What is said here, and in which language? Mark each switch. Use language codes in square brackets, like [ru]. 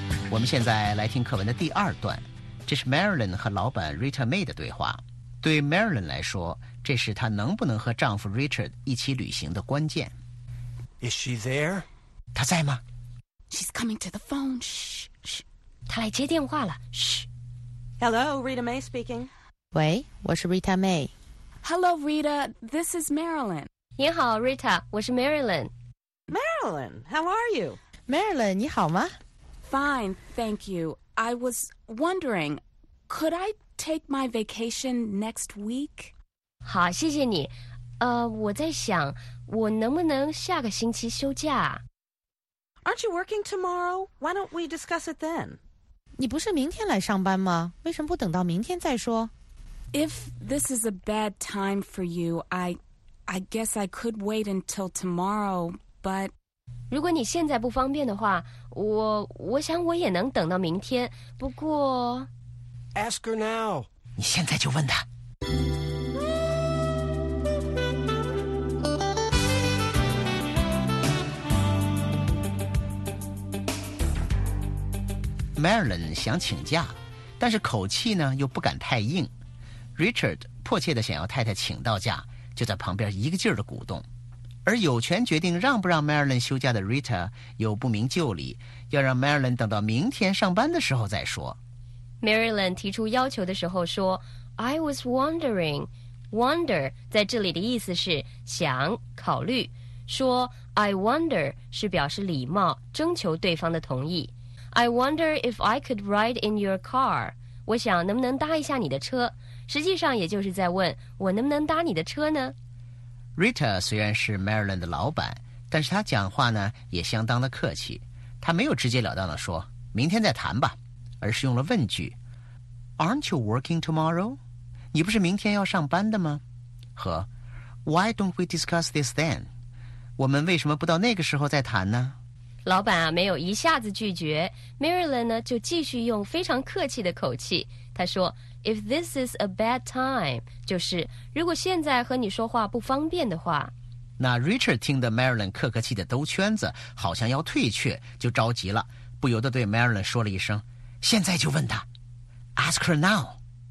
[zh] 我们现在来听课文的第二段，这是 Marilyn 和老板 Rita May 的对话。对 Marilyn 来说，这是她能不能和丈夫 Richard 一起旅行的关键。 [en] Is she there? [zh] 她在吗？ [en] She's coming to the phone. Shh, shh. [zh] 他来接电话了。嘘。 [en] Hello, Rita May speaking. [zh] 喂，我是 Rita May. [en] Hello, Rita. This is Marilyn. [zh] 你好 ，Rita， 我是 Marilyn. [en] Marilyn, how are you? [zh] Marilyn, 你好吗 [en] ？Fine, thank you. I was wondering, could I take my vacation next week? [zh] 好，谢谢你。我在想，我能不能下个星期休假？ [en] Aren't you working tomorrow? Why don't we discuss it then? [zh] 你不是明天来上班吗？为什么不等到明天再说 [en] ？If this is a bad time for you, I guess I could wait until tomorrow. But [zh] 如果你现在不方便的话，我想我也能等到明天。不过 [en] ，Ask her now. [zh] 你现在就问她。 Marilyn 想请假，但是口气呢又不敢太硬。 Richard 迫切地想要太太请到假，就在旁边一个劲儿地鼓动。而有权决定让不让 Marilyn 休假的 Rita 又不明就里，要让 Marilyn 等到明天上班的时候再说。 Marilyn 提出要求的时候说 ： [en] “I was wondering. [zh] Wonder 在这里的意思是想、考虑。说 [en] I wonder [zh] 是表示礼貌，征求对方的同意。” [en] I wonder if I could ride in your car. [zh] 我想能不能搭一下你的车，实际上也就是在问我能不能搭你的车呢。 Rita 虽然是 Marilyn 的老板，但是她讲话呢也相当的客气。她没有直截了当的说明天再谈吧，而是用了问句 ： [en] Aren't you working tomorrow? [zh] 你不是明天要上班的吗？ [en] 和 Why don't we discuss this then? [zh] 我们为什么不到那个时候再谈呢？老板啊，没有一下子拒绝 ，Marilyn 呢就继续用非常客气的口气，他说 ： [en] “If this is a bad time， [zh] 就是如果现在和你说话不方便的话。” 那 Richard 听得 Marilyn 客客气的兜圈子，好像要退却，就着急了，不由得对 Marilyn 说了一声：“现在就问他 ， [en] Ask her now。”